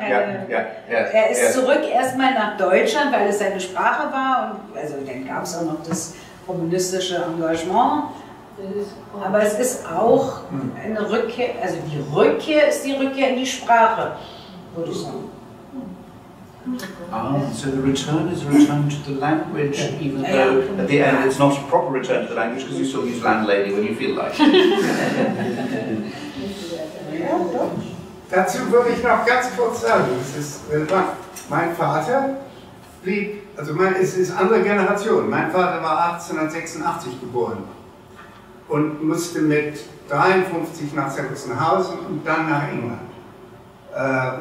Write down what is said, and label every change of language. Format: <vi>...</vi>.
<de>Er ist zurück erstmal nach Deutschland, weil es seine Sprache war. Und, also dann gab es auch noch das kommunistische Engagement. Aber es ist auch eine Rückkehr, also die Rückkehr ist die Rückkehr in die Sprache, würde ich sagen.</de> <en>Ah, so the return is a return to the language, even though at the end it's not a proper return to the language because you still use landlady when you feel like it.</en> <de>Dazu würde ich noch ganz kurz sagen, es ist, mein Vater blieb, also mein, es ist andere Generation, mein Vater war 1886 geboren und musste mit 53 nach Sachsenhausen und dann nach England.</de>